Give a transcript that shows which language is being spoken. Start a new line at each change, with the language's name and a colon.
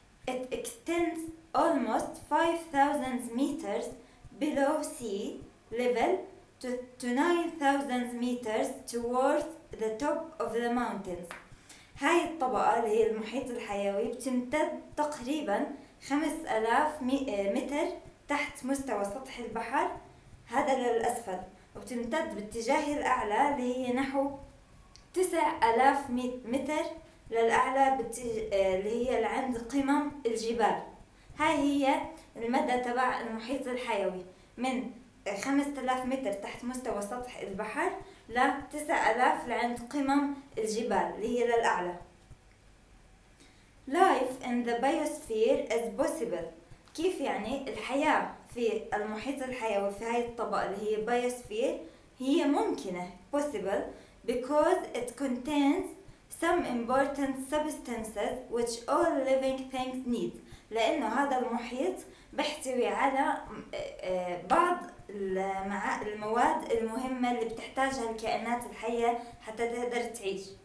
English: It extends almost 5,000 meters below sea level to 9,000 meters towards the top of the mountains.
Arabic: هاي الطبقة اللي هي المحيط الحيوي بتمتد تقريباً 5000 متر تحت مستوى سطح البحر، هذا للأسفل، وبتمتد باتجاه الأعلى اللي هي نحو 9000 متر للأعلى اللي هي عند قمم الجبال. هاي هي المدى تبع المحيط الحيوي، من 5000 متر تحت مستوى سطح البحر ل 9000 لعند قمم الجبال اللي هي للأعلى.
English: Life in the biosphere is possible.
Arabic: كيف يعني الحياة في المحيط الحيوي في هاي الطبقة اللي هي biosphere هي ممكنة
English: possible because it contains some important substances which all living things need.
Arabic: لأنه هذا المحيط بيحتوي على بعض المواد المهمة اللي بتحتاجها الكائنات الحية حتى تقدر تعيش.